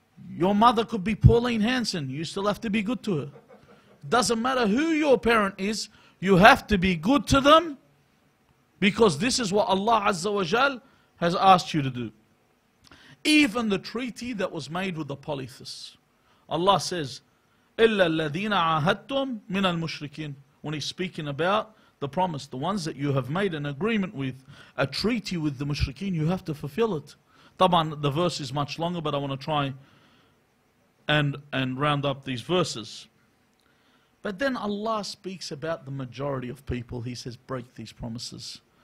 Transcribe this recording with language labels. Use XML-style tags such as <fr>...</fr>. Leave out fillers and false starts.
<en>Your mother could be Pauline Hanson. You still have to be good to her. Doesn't matter who your parent is, you have to be good to them because this is what Allah Azza wa Jal has asked you to do. Even the treaty that was made with the polytheists. Allah says,</en> <ar>إِلَّا الَّذِينَ عَاهَدْتُمْ مِنَ الْمُشْرِكِينَ.</ar> <en>When He's speaking about the promise, the ones that you have made an agreement with, a treaty with the mushrikeen, you have to fulfill it. Taban, the verse is much longer, but I want to try and round up these verses. But then Allah speaks about the majority of people. He says, break these promises.</en>